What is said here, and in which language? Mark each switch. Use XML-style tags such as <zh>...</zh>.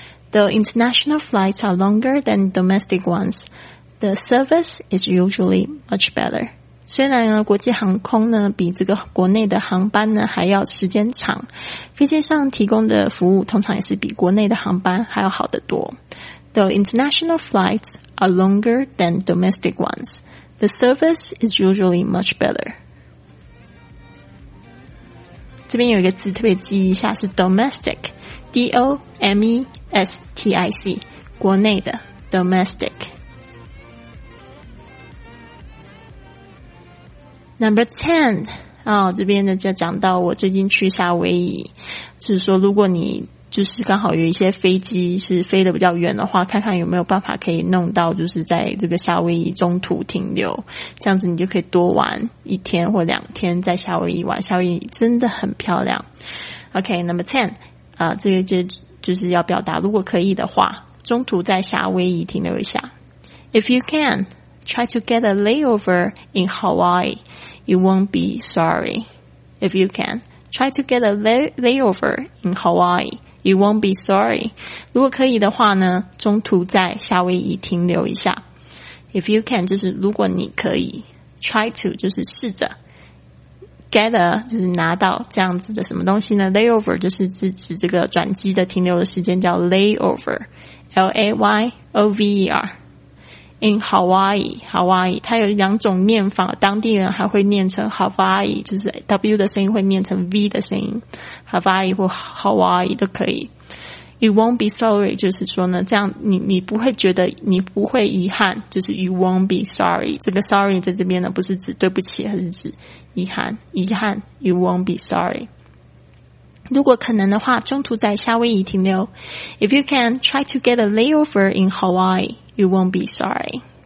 <en>Though international flights are longer than domestic ones, the service is usually much better.</en> <zh>虽然呢，国际航空呢比这个国内的航班呢还要时间长，飞机上提供的服务通常也是比国内的航班还要好得多。</zh> <en>Though international flights are longer than domestic ones, the service is usually much better.</en> <zh>这边有一个字特别记一下，是 domestic。 D-O-M-E-S-T-I-C 国内的 Domestic Number 10、这边呢就讲到我最近去夏威夷，就是说如果你就是刚好有一些飞机是飞得比较远的话，看看有没有办法可以弄到就是在这个夏威夷中途停留，这样子你就可以多玩一天或两天在夏威夷玩，夏威夷真的很漂亮。 OK, Number 10这个就是要表达如果可以的话，中途在夏威夷停留一下。</zh> <en>If you can, try to get a layover in Hawaii. You won't be sorry. If you can, try to get a layover in Hawaii. You won't be sorry.</en> <zh>如果可以的话呢，中途在夏威夷停留一下。</zh> <en>If you can,</en> <zh>就是如果你可以。</zh> <en>Try to,</en> <zh>就是试着。</zh> <en>Get a</en> <zh>就是拿到这样子的什么东西呢 ？Layover 就是指这个转机的停留的时间，叫 layover，L-A-Y-O-V-E-R。</zh> <en>In Hawaii，</en> <zh>它有两种念法，当地人还会念成 Hawaii， 就是 W 的声音会念成 V 的声音 ，Hawaii 或 Hawaii 都可以。</zh> <en>You won't be sorry，</en> <zh>就是说呢，这样你不会觉得你不会遗憾，就是</zh> <en>you won't be sorry。</en> <zh>这个 sorry 在这边呢，不是指对不起，而是指遗憾。</zh> <en>You won't be sorry。</en> <zh>如果可能的话，中途在夏威夷停留。</zh> <en>If you can try to get a layover in Hawaii, you won't be sorry。</en>